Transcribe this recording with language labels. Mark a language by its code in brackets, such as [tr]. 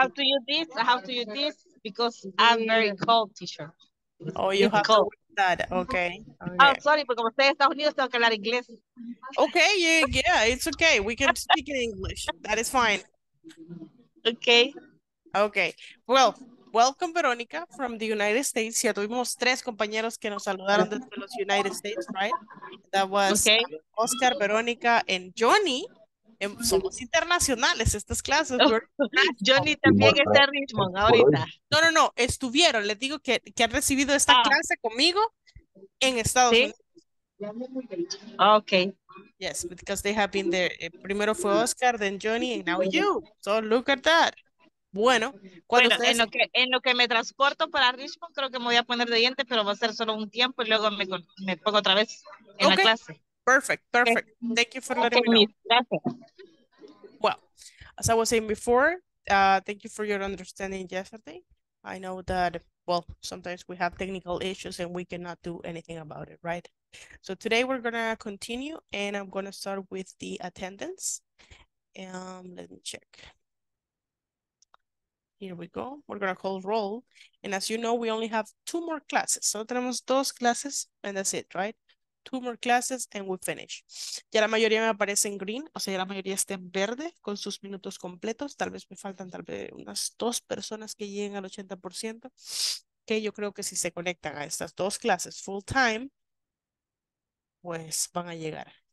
[en] I have to use this because I'm wearing cold t-shirt. Oh, you it's have cold. To that, okay. Oh, sorry, [es] porque como estoy en Estados Unidos, tengo que hablar inglés. [en] Okay, yeah, it's okay. We can speak in English. That is fine. Okay. Okay, well, welcome Veronica from the United States. [es] Ya tuvimos tres compañeros que nos saludaron desde los United States, right? [en] That was okay. Oscar, Veronica, and Johnny. [es] Somos internacionales estas clases. [en] Oh, [es] Johnny también está en Richmond ahorita. No, no, no, estuvieron. Les digo que han recibido esta clase conmigo en Estados Unidos. [en] Ok. Yes, because they have been there. [es] Primero fue Oscar, [en] then Johnny, and now you. So look at that. [es] Bueno, cuando bueno, ustedes... en lo que me transporto para Richmond, creo que me voy a poner de diente, pero va a ser solo un tiempo y luego me pongo otra vez en la clase. [en] Perfect, perfect. Okay. Thank you for letting me know. Well, as I was saying before, thank you for your understanding yesterday. I know that, well, sometimes we have technical issues and we cannot do anything about it, right? So today we're going to continue and I'm going to start with the attendance. Let me check. Here we go. We're going to call roll. And as you know, we only have two more classes. So [es] tenemos dos clases [en] and that's it, right? Two more classes and we finish. [es] Ya la mayoría me aparece en green, o sea, ya la mayoría está en verde con sus minutos completos. Tal vez me faltan tal vez unas dos personas que lleguen al 80%, que yo creo que si se conectan a estas dos clases full time, pues van a llegar.